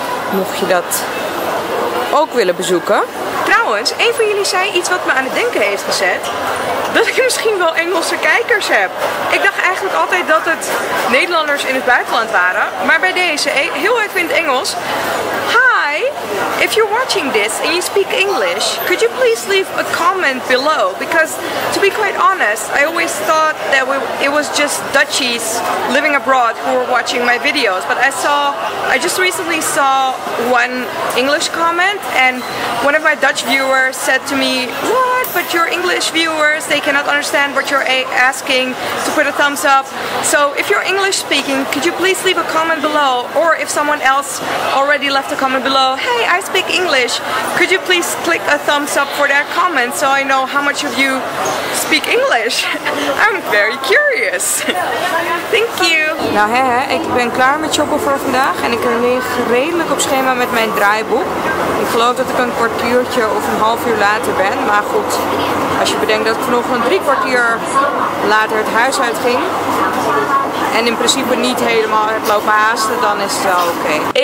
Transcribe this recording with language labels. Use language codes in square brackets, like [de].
[nl] Mocht je dat ook willen bezoeken. Trouwens, een van jullie zei iets wat me aan het denken heeft gezet. Dat ik misschien wel Engelse kijkers heb. Ik dacht eigenlijk altijd dat het Nederlanders in het buitenland waren. Maar bij deze, heel even in het Engels. [en] Hi, if you're watching this and you speak English, could you please leave a comment below? Because to be quite honest, I always thought that it was just Dutchies living abroad who were watching my videos. But I just recently saw one English comment and one of my Dutch viewers said to me, what? But your English viewers, they cannot understand what you're asking, so put a thumbs up. So if you're English speaking, could you please leave a comment below? Or if someone else already left a comment below, hey, I speak English, could you please click a thumbs up for that comment so I know how much of you speak English? I'm very curious. Thank you. [nl] Nou hè, ik ben klaar met shoppen voor vandaag en ik lig redelijk op schema met mijn draaiboek. Ik geloof dat ik een kwartiertje of een half uur later ben, maar goed, als je bedenkt dat ik nog een drie kwartier later het huis uitging en in principe niet helemaal heb lopen haasten, dan is het wel oké. Okay.